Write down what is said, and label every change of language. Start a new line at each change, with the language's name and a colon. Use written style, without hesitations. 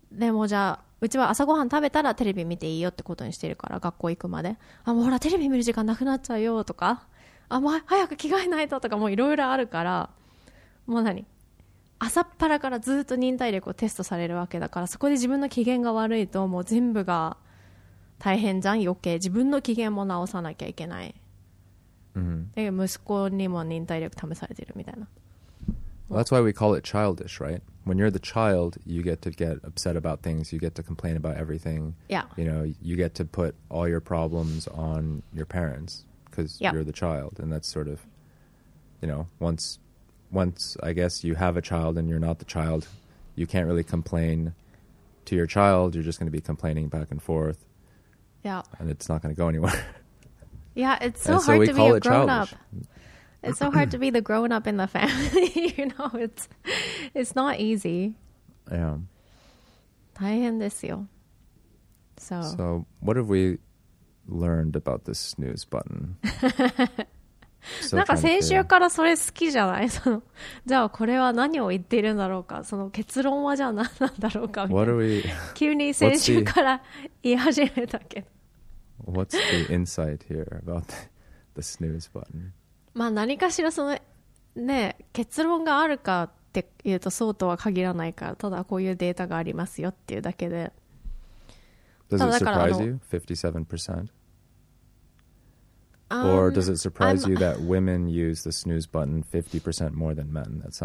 Japanese: でもじゃあうちは朝ごはん食べたらテレビ見ていいよってことにしてるから、学校行くまで、あもうほらテレビ見る時間なくなっちゃうよとか、あもう早く着替えないととか、もういろいろあるから、もう何朝っぱらからずっと忍耐力をテストされるわけだから、そこで自分の機嫌が悪いともう全部が大変じゃん、余計自分の機嫌も直さなきゃいけない、 Mm-hmm. で、息子にも忍耐力試されてるみたいな。
English: Well, that's why we call it childish, right? When you're the child, you get to get upset about things, you get to complain about everything. Yeah. You know, you get to put all your problems on your parents because yeah. you're the child. And that's sort of, you know, once I guess you have a child and you're not the child, you can't really complain to your child. You're just going to be complaining back and forth. Yeah. And it's not going to go anywhere. Yeah, it's so hard to be a grown childish. Up. It's so hard to be the grown up in the family, you know. It's not easy. Yeah.
Japanese: 大変ですよ.
English: So what have we learned about this snooze button?
Japanese: なんか先週からそれ好きじゃない?その、じゃあこれは何を言っているんだろうか? その結論はじゃあ何なんだろうか?
English: What are we...
Japanese: 急に先週から言い始めたけど。
English: What's the insight here about the snooze button?
Japanese: まあ、何かしらその、ね、結論があるかって言うとそうとは限らないからただこういうデータがありますよっていうだけで
English: Does it surprise you? 57%? Or does it surprise you that women use the snooze button 50% more than men?